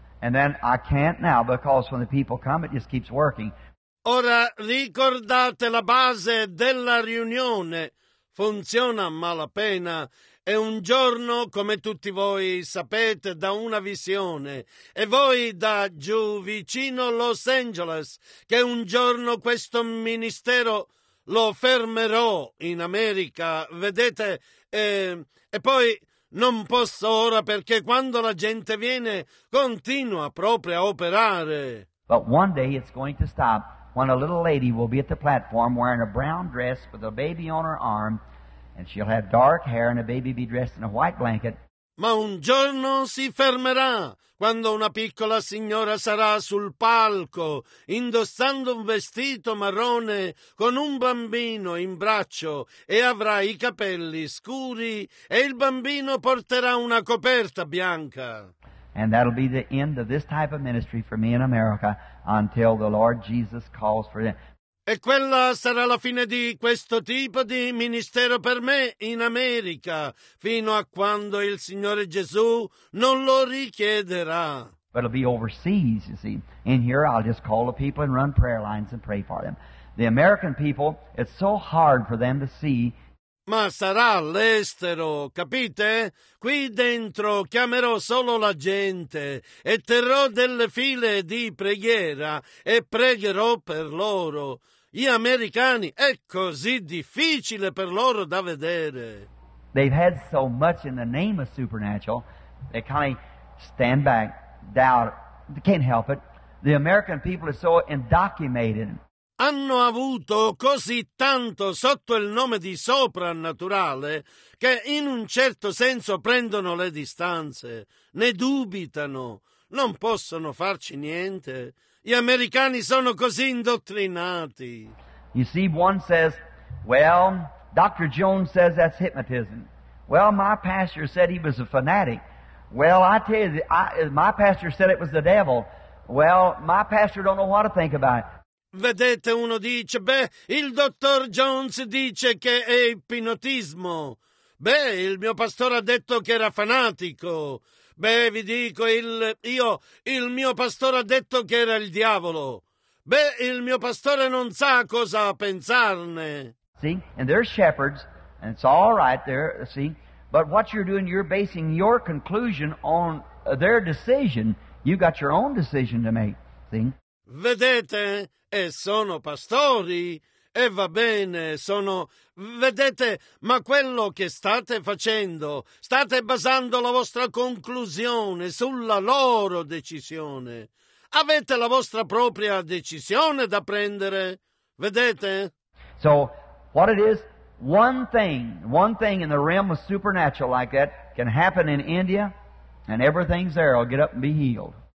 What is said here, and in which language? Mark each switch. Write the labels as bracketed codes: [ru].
[en] And then I can't now because when the people come, it just keeps working. [it] Ora ricordate, la base della riunione funziona a malapena. E un giorno, come tutti voi sapete, da una visione, e voi da giù vicino Los Angeles, che un giorno questo ministero lo fermerò in America, vedete? E poi non posso ora, perché quando la gente viene, continua proprio a operare. [en] But one day it's going to stop when a little lady will be at the platform wearing a brown dress with a baby on her arm, and she'll have dark hair and a baby be dressed in a white blanket. [it] Ma un giorno si fermerà quando una piccola signora sarà sul palco indossando un vestito marrone con un bambino in braccio e avrà i capelli scuri e il bambino porterà una coperta bianca. [en] And that'll be the end of this type of ministry for me in America until the Lord Jesus calls for it. [it] E quella sarà la fine di questo tipo di ministero per me in America, fino a quando il Signore Gesù non lo richiederà. [en] But it'll be overseas, you see. In here I'll just call the people and run prayer lines and pray for them. The American people, it's so hard for them to see. [it] Ma sarà all'estero, capite? Qui dentro chiamerò solo la gente e terrò delle file di preghiera e pregherò per loro. Gli americani, è così difficile per loro da vedere. [en] They've had so much in the name of supernatural, they kind of stand back, doubt, they can't help it. The American people are so indoctrinated. [it] Hanno avuto così tanto sotto il nome di soprannaturale che in un certo senso prendono le distanze, ne dubitano, non possono farci niente. Gli americani sono così indottrinati. [en] You see, one says, well, Dr. Jones says that's hypnotism. Well, my pastor said he was a fanatic. Well, I tell you, my pastor said it was the devil. Well, my pastor don't know what to think about it. [it] Vedete, uno dice, beh, il dottor Jones dice che è ipnotismo. Beh, il mio pastore ha detto che era fanatico. Beh, vi dico, il mio pastore ha detto che era il diavolo. Beh, il mio pastore non sa cosa pensarne. [en] See, and there's shepherds, and it's all right there, see. But what you're doing, you're basing your conclusion on their decision. You've got your own decision to make, see. [it] Vedete, e sono pastori, e va bene, sono... Vedete, ma quello che state facendo, state basando la vostra conclusione sulla loro decisione. Avete la vostra propria decisione da prendere, vedete? [en] So, what it is, one thing in the realm of supernatural like that can happen in India, and everything's there, I'll get up and be healed.